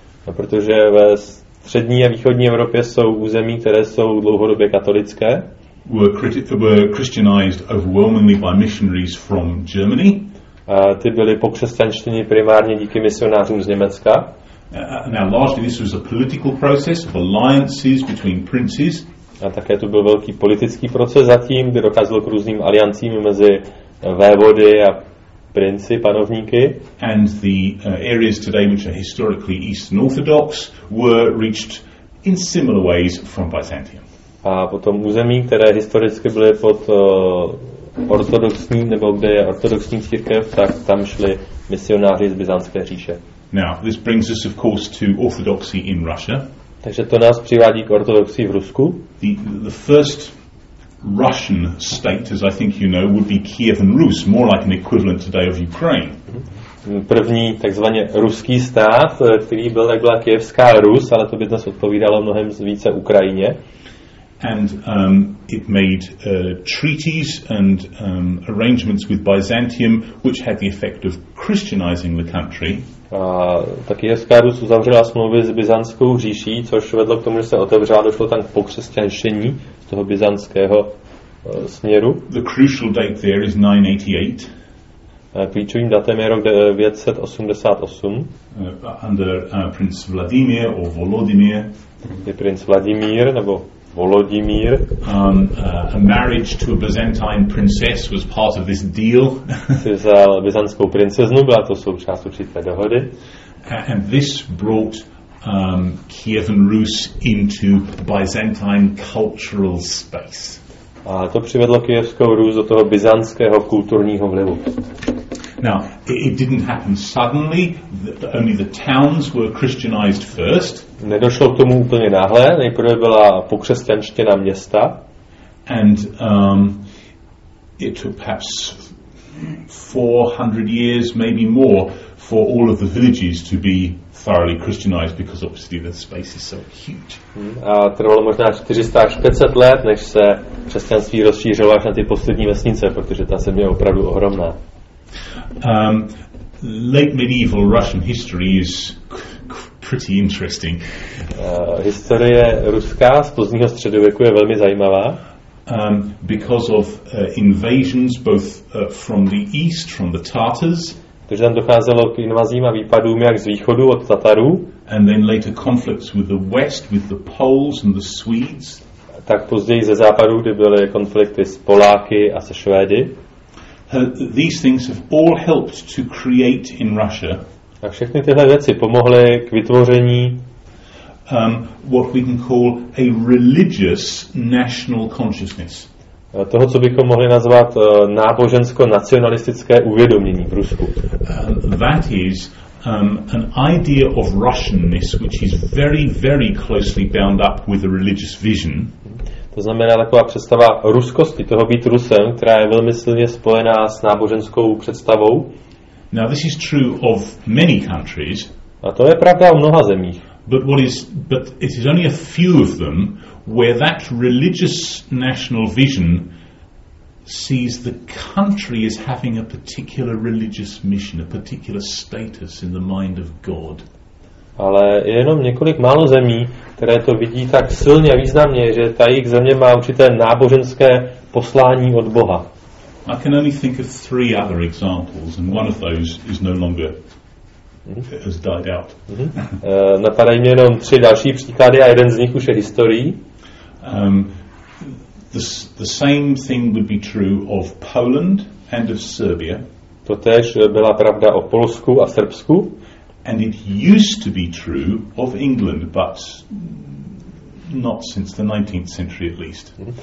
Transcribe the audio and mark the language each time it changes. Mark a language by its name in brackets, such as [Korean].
[Czech] A protože ve střední a východní Evropě jsou území, které jsou dlouhodobě katolické. [English] Were Christianized overwhelmingly by missionaries from Germany. [Czech] Ty byly pokřesťanštěny primárně díky misionářům z Německa. [English] Now largely this was a political process of alliances between princes. [Czech] A také to byl velký politický proces zatím, kdy docházelo k různým aliancím mezi vévody a princi, panovníky. [English] And the areas today which are historically Eastern Orthodox were reached in similar ways from Byzantium. [Czech] A potom území, které historicky byly pod ortodoxní, nebo kde je ortodoxní církev, tak tam šli misionáři z Byzantské říše. [English] Now, this brings us, of course, to orthodoxy in Russia. [Czech] Takže to nás přivádí k ortodoxii v Rusku. [English] The first Russian state, as I think you know, would be Kievan Rus, more like an equivalent today of Ukraine. [Czech] První takzvaně ruský stát, který byl, tak byla Kievská Rus, ale to by dnes odpovídalo mnohem více Ukrajině. [English] And it made treaties and arrangements with Byzantium, which had the effect of Christianizing the country. [Czech] Tak Kievská Rus uzavřela smlouvy s Byzantskou říší, což vedlo k tomu, že se otevřela, došlo tam k pokřesťanšení toho byzantského směru. [English] The crucial date there is 988. [Czech] Klíčovým datem je rok 588. [English] Under Prince Vladimir or Volodymyr. [Czech] Je princ Vladimír nebo Volodymyr. [English] A marriage to a Byzantine princess was part of this deal. [Czech] Vzal byzantskou princeznu, byla to součást určité dohody. [English] And this brought Kievan Rus into Byzantine cultural space. [Czech] A to přivedlo Kievskou Rus do toho byzantského kulturního vlivu. [English] Now, it didn't happen suddenly. Only the towns were Christianized first. [Czech] Nedošlo k tomu úplně náhle. Nejprve byla pokřesťanštěna města. [English] And it took perhaps 400 years, maybe more, for all of the villages to be thoroughly Christianized, because obviously the space is so huge. [Czech] A trvalo možná 400 až 500 let, než se křesťanství rozšířilo až na ty poslední vesnice, protože ta země je opravdu ohromná. [English] Late medieval Russian history is pretty interesting. [Czech] Historie ruská z pozdního středověku je velmi zajímavá. [English] Because of invasions both from the east, from the Tatars. [Czech] Takže tam docházelo k invazím a výpadům jak z východu od Tatarů. [English] And then later conflicts with the west, with the Poles and the Swedes. [Czech] Tak později ze západu, kde byly konflikty s Poláky a se Švédy. [English] These things have all helped to create in Russia. [Czech] A všechny tyhle věci pomohly k vytvoření [English] what we can call a religious national consciousness. [Czech] Toho, co bychom mohli nazvat nábožensko-nacionalistické uvědomění v Rusku. [English] That is an idea of Russianness which is very, very closely bound up with a religious vision. [Czech] To znamená taková představa ruskosti, toho být Rusem, která je velmi silně spojená s náboženskou představou. [English] Now this is true of many countries. [Czech] A to je pravda o mnoha zemích. [English] But it is only a few of them where that religious national vision sees the country as having a particular religious mission, a particular status in the mind of God. [Czech] Ale je jenom několik málo zemí, které to vidí tak silně a významně, že ta jejich země má určité náboženské poslání od Boha. [English] I can only think of three other examples, and one of those is no longer has died out. [Czech] Napadají mě jenom tři další příklady a jeden z nich už je historií. [English] The same thing would be true of Poland and of Serbia. [Czech] To též byla pravda o Polsku a Srbsku. [English] And it used to be true of England, but not since the 19th century at least.